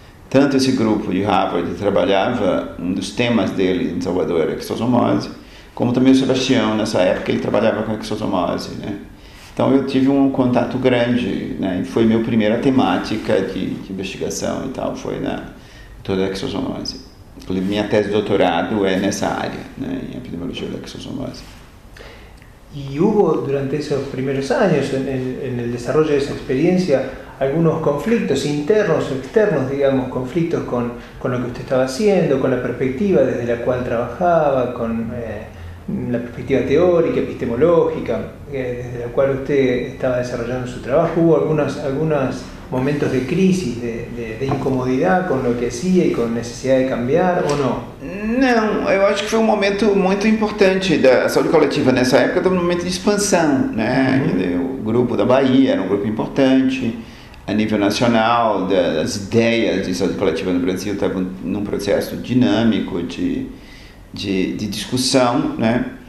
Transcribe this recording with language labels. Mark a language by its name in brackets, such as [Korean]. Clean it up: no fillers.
[Portuguese] Tanto esse grupo de Harvard trabalhava, um dos temas dele em Salvador era esquistossomose, como também o Sebastião, nessa época, ele trabalhava com esquistossomose, né? Então eu tive um contato grande, né? E foi minha primeira temática de investigação e tal, foi na toda a esquistossomose. Minha tese de doutorado é nessa área, né, em epidemiologia da esquistossomose. [Spanish] Y hubo durante esos primeros años, en el desarrollo de esa experiencia, algunos conflictos internos o externos, digamos, conflictos con lo que usted estaba haciendo, con la perspectiva desde la cual trabajaba, con la perspectiva teórica, epistemológica, desde la cual usted estaba desarrollando su trabajo. ¿Hubo algunos momentos de crisis, de incomodidad con lo que hacía y con necesidad de cambiar o no? [Portuguese] Não, eu acho que foi um momento muito importante da saúde coletiva nessa época, um momento de expansão, né? O grupo da Bahia era um grupo importante a nível nacional, das ideias de saúde coletiva no Brasil estavam num processo dinâmico de discussão, né?